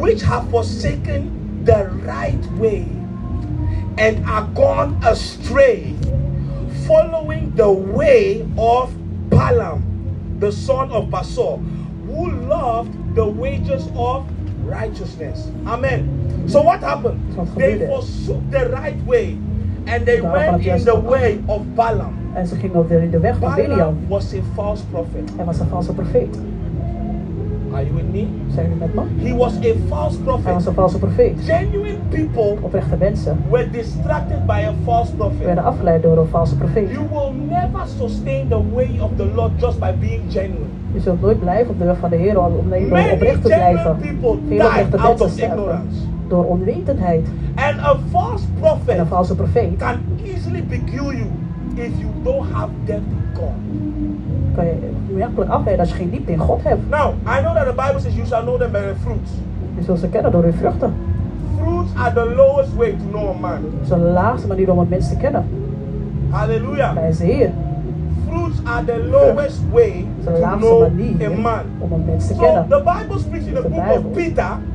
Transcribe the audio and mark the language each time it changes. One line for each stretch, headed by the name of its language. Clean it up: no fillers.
English: which have forsaken the right way and are gone astray, following the way of Balaam, the son of Beor, who loved the wages of righteousness. Amen. So what happened? They forsook the right way and they went in the way of Balaam.
Dutch: En ze gingen weer in de weg van Balaam.
English: Was a false prophet.
Dutch: Hij was een valse profeet.
English: Are you with me?
Dutch: Zijn jullie met me?
English: He was a false prophet.
Dutch: Hij was een valse profeet.
English: Genuine people,
Dutch: oprechte mensen,
English: were distracted by a false prophet.
Dutch: Werden afgeleid door een valse profeet.
English: You will never sustain the way of the Lord just by being genuine.
Dutch: Je zult nooit blijven op de weg van de Heer om alleen oprecht te blijven. Veel oprechte mensen sterven door onwetendheid.
English: And a false prophet,
Dutch: en een valse profeet, kan
English: easily beguile you if you don't have depth in God.
Dutch: Kan je werkelijk afleiden als je geen diepte in God hebt.
English: Now, I know that the Bible says you shall know them by their fruits.
Dutch: Je zult ze kennen door hun vruchten.
English: Fruits are the lowest way to know a man.
Dutch: Het is de laagste manier om een mens te kennen. Halleluja. Prijs de Heer.
English: Fruits are the lowest way to know a man.
Dutch: Om een mens te
English: so
Dutch: kennen.
English: The Bible speaks in the book of Peter.